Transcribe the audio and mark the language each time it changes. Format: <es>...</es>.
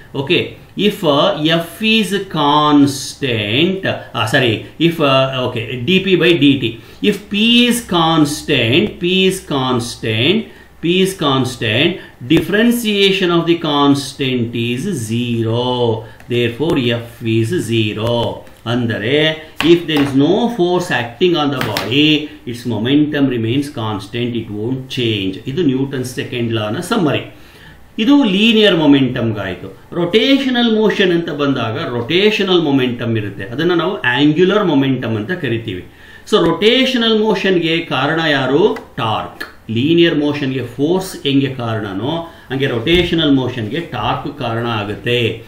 <en>Okay, if F is constant, sorry if okay D P by D T, if P is constant, P is constant, P is constant, differentiation of the constant is zero, therefore F is zero. Andare, if there is no force acting on the body, its momentum remains constant, it won't change.</en> <kn>ಇದು Newton's second law ನ summary. ಇದು linear momentum ಆಯಿತು. Rotational motion ಅಂತ ಬಂದಾಗ rotational momentum ಇರುತ್ತೆ, ಅದನ್ನು ನಾವು angular momentum ಅಂತ ಕರಿತೀವಿ. ಸೊ ರೊಟೇಷನಲ್ ಮೋಷನ್ಗೆ ಕಾರಣ ಯಾರು? ಟಾರ್ಕ್. ಲೀನಿಯರ್ ಮೋಷನ್ಗೆ ಫೋರ್ಸ್ ಹೆಂಗೆ ಕಾರಣನೋ ಹಂಗೆ ರೊಟೇಷನಲ್ ಮೋಷನ್ಗೆ ಟಾರ್ಕ್ ಕಾರಣ ಆಗುತ್ತೆ.</kn>